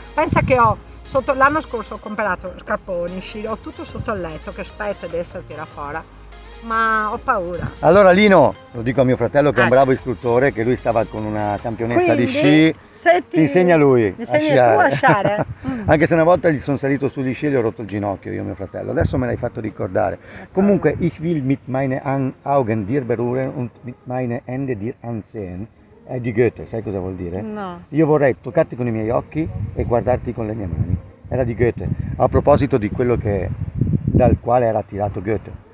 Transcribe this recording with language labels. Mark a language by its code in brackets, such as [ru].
[it] Pensa che ho sotto l'anno scorso ho comprato scarponi, sci, ho tutto sotto il letto che aspetta di essere tirato fuori. Ma ho paura. Allora Lino, lo dico a mio fratello che è un bravo istruttore, che lui stava con una campionessa. Quindi, di sci, ti insegna lui a sciare. Mi insegni tu a sciare? Anche se una volta gli sono salito sugli sci e gli ho rotto il ginocchio io e mio fratello. Adesso me l'hai fatto ricordare. [de] Comunque, ich will mit meinen Augen dir berühren und mit meinen Händen dir ansehen. [it] È di Goethe, sai cosa vuol dire? No. Io vorrei toccarti con i miei occhi e guardarti con le mie mani. Era di Goethe. A proposito di quello che dal quale era tirato Goethe.